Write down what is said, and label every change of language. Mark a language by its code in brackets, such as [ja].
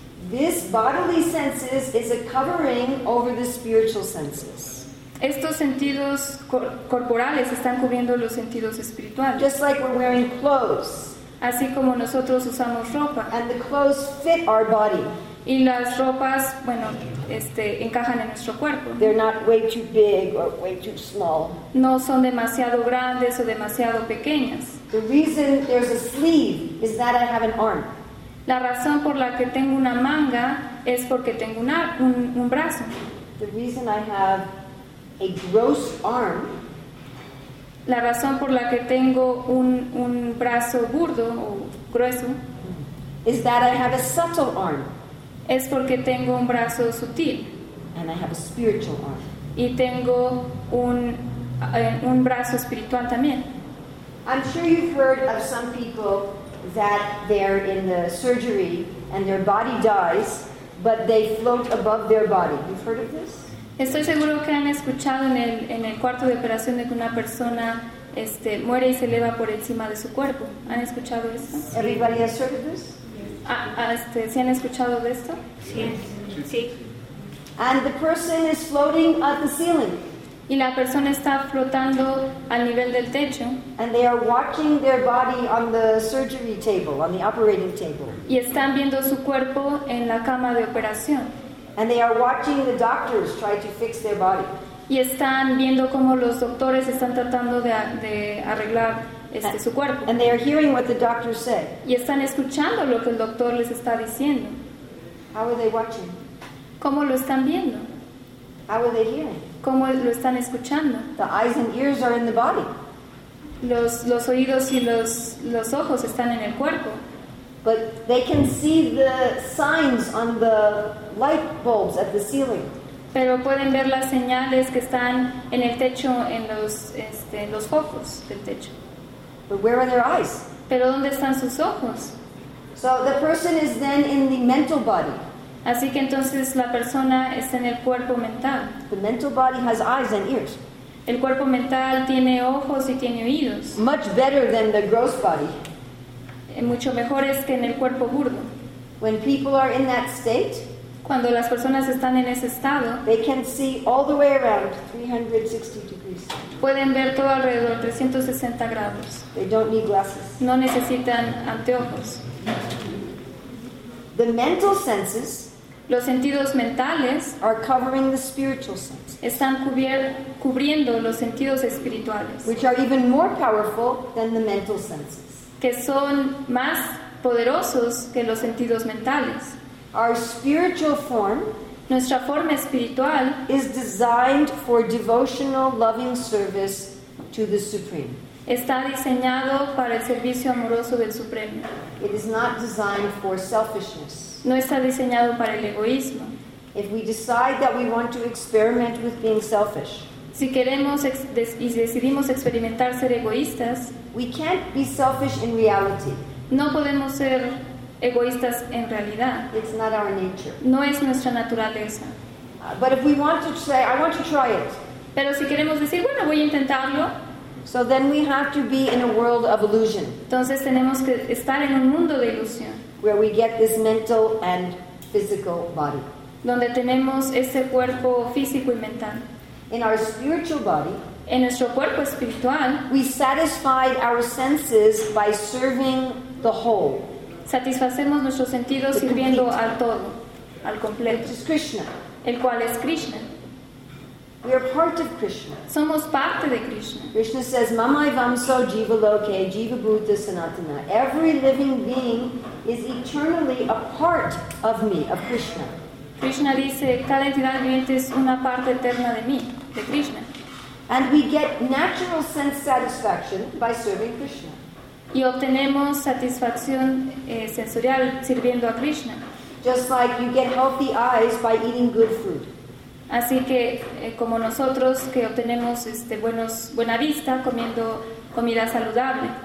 [en] This bodily senses is a covering over the spiritual senses. [es] Estos sentidos corporales están cubriendo los sentidos espirituales. [en] Just like we're wearing clothes. [es] Así como nosotros usamos ropa. [en] And the clothes fit our body. [es] Y las ropas, bueno, encajan en nuestro cuerpo. [en] They're not way too big or way too small. [es] No son demasiado grandes o demasiado pequeñas. [en] The reason there's a sleeve is that I have an arm. [es] La razón por la que tengo una manga es porque tengo un brazo. [en] The reason I have a gross arm. [es] La razón por la que tengo un brazo burdo o grueso [en] is that I have a subtle arm. [es] Es porque tengo un brazo sutil. [en] And I have a spiritual arm. [es] Y tengo un brazo espiritual también. [en] I'm sure you've heard of some people that they're in the surgery and their body dies, but they float above their body. You've heard of this? [es] Estoy seguro que han escuchado en el cuarto de operación de que una persona muere y se eleva por encima de su cuerpo. ¿Han escuchado esto? [en] Everybody has heard of this? [es] ¿Sí han escuchado de esto? Sí. [en] And the person is floating at the ceiling. [es] Y la persona está flotando al nivel del techo. [en] And they are watching their body on the surgery table, on the operating table. [es] Y están viendo su cuerpo en la cama de operación. [en] And they are watching the doctors try to fix their body. [es] Y están viendo cómo los doctores están tratando de arreglar su cuerpo. [en] And they are hearing what the doctors say. [es] Y están escuchando lo que el doctor les está diciendo. [en] How are they watching? [es] ¿Cómo lo están viendo? [en] How are they hearing? [es] ¿Cómo lo están escuchando? [en] The eyes and ears are in the body. [es] Los oídos y los ojos están en el cuerpo. [en] But they can see the signs on the light bulbs at the ceiling. [es] Pero pueden ver las señales que están en el techo, en los focos del techo. [en] But where are their eyes? [es] Pero ¿dónde están sus ojos? [en] So the person is then in the mental body. [es] Así que entonces la persona está en el cuerpo mental. [en] The mental body has eyes and ears. [es] El cuerpo mental tiene ojos y tiene oídos. [en] Much better than the gross body. [es] Mucho mejor es que en el cuerpo burdo. [en] When people are in that state, [es] cuando las personas están en ese estado, [en] they can see all the way around 360 degrees. [es] Pueden ver todo alrededor 360 grados. [en] They don't need glasses. [es] No necesitan anteojos. [en] The mental senses, [es] los sentidos mentales, [en] are covering the spiritual senses. [es] Están cubriendo los sentidos espirituales, [en] which are even more powerful than the mental senses. [es] Que son más poderosos que los sentidos mentales. [en] Our spiritual form, [es] nuestra forma espiritual, [en] is designed for devotional loving service to the Supreme. [es] Está diseñado para el servicio amoroso del Supremo. [en] It is not designed for selfishness. [es] No está diseñado para el egoísmo. [en] If we decide that we want to experiment with being selfish, [es] si queremos y decidimos experimentar ser egoístas, [en] we can't be selfish in reality. [es] No podemos ser egoístas en realidad. [en] It's not our nature. [es] No es nuestra naturaleza. [en] But if we want to say, I want to try it. [es] Pero si queremos decir, bueno, voy a intentarlo. [en] So then we have to be in a world of illusion. [es] Entonces tenemos que estar en un mundo de ilusión. [en] Where we get this mental and physical body. [es] Donde tenemos ese cuerpo físico y mental. [en] In our spiritual body, [es] en nuestro cuerpo espiritual, [en] we satisfy our senses by serving the whole. [es] Satisfacemos nuestros sentidos sirviendo al todo, al completo. [en] Which is Krishna. [es] El cual es Krishna. [en] We are part of Krishna. [es] Somos parte de Krishna. [en] Krishna says, [sa] Mamai Vamso Jiva Loke Jiva Bhuta Sanatana. [en] Every living being is eternally a part of me, of Krishna. [es] Krishna dice, cada entidad viviente es una parte eterna de mí, de Krishna. [en] And we get natural sense satisfaction by serving Krishna. [es] Y obtenemos satisfacción sensorial sirviendo a Krishna. [en] Just like you get healthy eyes by eating good food. [es] Así que como nosotros que obtenemos buena vista comiendo comida saludable.